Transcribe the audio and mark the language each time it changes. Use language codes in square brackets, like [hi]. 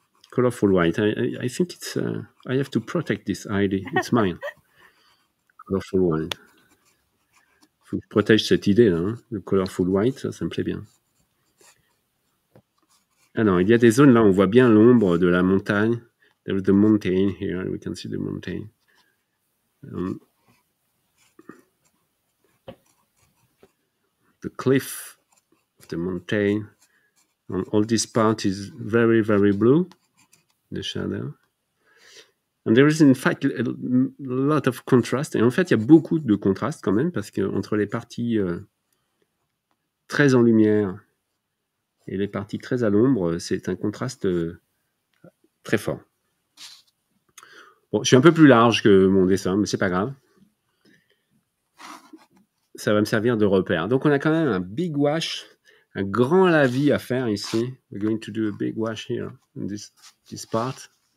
[en] Colorful white. I think it's... I have to protect this ID. It's mine. Colorful white. [fr] Faut que je protège cette idée, là, hein, le [en] colorful white, [fr] ça me plaît bien. Ah non, il y a des zones là, on voit bien l'ombre de la montagne. [en] There is the mountain here, we can see the mountain. The cliff of the mountain. And all this part is very, very blue, the shadow. And there is in fact a lot of contrast. [fr] Et en fait, il y a beaucoup de contraste quand même, parce qu'entre les parties très en lumière et les parties très à l'ombre, c'est un contraste très fort. Bon, je suis un peu plus large que mon dessin, mais c'est pas grave. Ça va me servir de repère. Donc, on a quand même un [en] big wash, [fr] un grand lavis à faire ici. [en] We're going to do a big wash here, in this part.